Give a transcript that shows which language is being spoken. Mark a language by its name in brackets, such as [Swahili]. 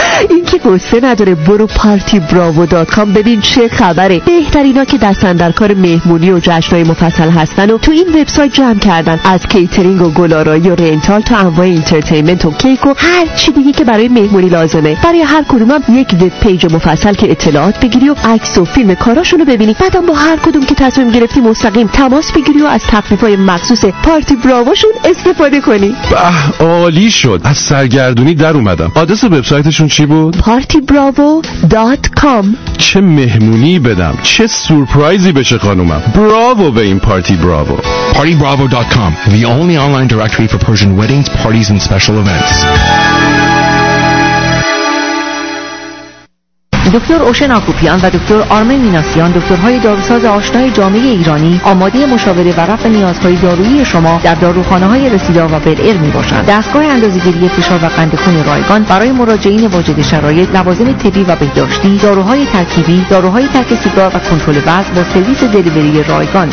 [Persian] این که گسته نداره، برو پارتی براوو دات کام ببین چه خبره، بهترینا که دستن در کار مهمونی و جشنای مفصل هستن و تو این وبسایت جمع کردن، از کیترینگ و گلارایی و رنتال تا انواع اینترتینمنت و کیک و هر چی دیگه که برای مهمونی لازمه، برای هر کدومم یک وب پیج مفصل که اطلاعات بگیری و عکس و فیلم کاراشون رو ببینی، بعدم با هر کدوم که تصمیم گرفتی مستقیم تماس بگیری و از تخفیف‌های مخصوص پارتی براوشون استفاده کنی. به عالی شد، از سرگردونی در اومدم. آدرس وبسایتشون چی بود؟ [English] partybravo.com. [Persian] چه مهمونی بدم، چه سورپرایزی بشه خانومم، براوو به این پارتی براوو. [English] partybravo.com, the only online directory for Persian weddings, parties and special events. [Persian] دکتر اوشن آکوپیان و دکتر آرمن میناسیان، دکترهای داروساز آشنای جامعه ایرانی، آماده مشاوره و رفع نیازهای دارویی شما در داروخانه‌های رسیدا و بلئر می‌باشند. دستگاه اندازه‌گیری فشار و قند خون رایگان برای مراجعین واجد شرایط، لوازم طبی و بهداشتی، داروهای ترکیبی، داروهای ترک سیگار و کنترل وزن با سرویس دلیوری رایگان.